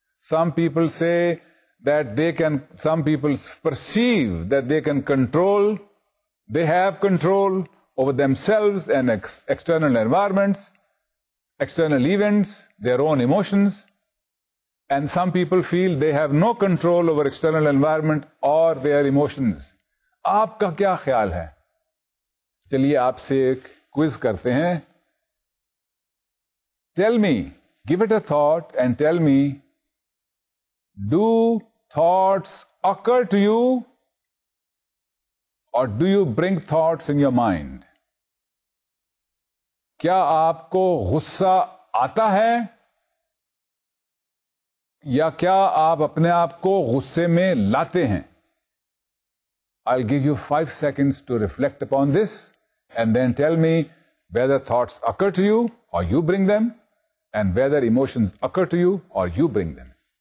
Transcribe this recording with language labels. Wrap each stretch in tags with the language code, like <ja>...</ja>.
<en>Some people سے that they can, some people perceive that they can control, they have control over themselves and external environments, external events, their own emotions, and some people feel they have no control over external environment or their emotions.</en> <ur>آپ کا کیا خیال ہے؟ چلیے آپ سے ایک quiz کرتے ہیں.</ur> <en>Tell me, give it a thought and tell me, do thoughts occur to you or do you bring thoughts in your mind?</en> <ur>کیا آپ کو غصہ آتا ہے یا کیا آپ اپنے آپ کو غصے میں لاتے ہیں؟</ur> <en>I'll give you 5 seconds to reflect upon this and then tell me whether thoughts occur to you or you bring them and whether emotions occur to you or you bring them.</en>